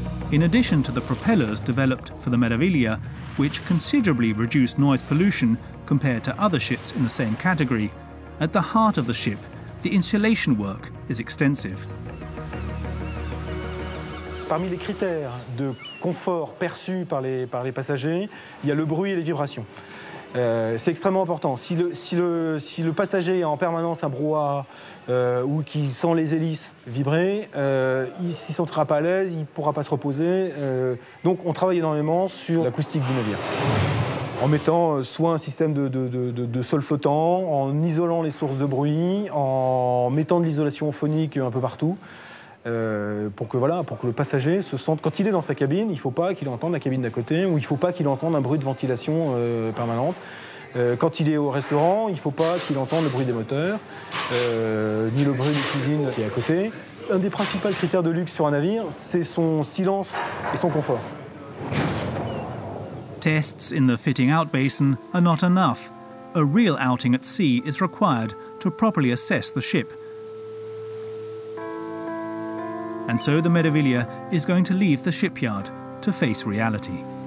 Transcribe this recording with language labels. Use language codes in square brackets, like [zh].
[en] In addition to the propellers developed for the Meraviglia, which considerably reduced noise pollution compared to other ships in the same category, at the heart of the ship, the insulation work is extensive. [fr] Parmi les critères de confort perçus par les passagers, il y a le bruit et les vibrations. C'est extrêmement important. Si le passager a en permanence un brouhaha ou qu'il sent les hélices vibrer, il ne s'y sentira pas à l'aise, il ne pourra pas se reposer. Donc on travaille énormément sur l'acoustique du navire. En mettant soit un système de sol flottant, en isolant les sources de bruit, en mettant de l'isolation phonique un peu partout, pour que le passager se sente, quand il est dans sa cabine, il ne faut pas qu'il entende la cabine d'à côté, ou il ne faut pas qu'il entende un bruit de ventilation permanente. Quand il est au restaurant, il ne faut pas qu'il entende le bruit des moteurs, ni le bruit de cuisine qui est à côté. Un des principaux critères de luxe sur un navire, c'est son silence et son confort. [en] Tests in the fitting out basin are not enough. A real outing at sea is required to properly assess the ship. And so the Meraviglia is going to leave the shipyard to face reality.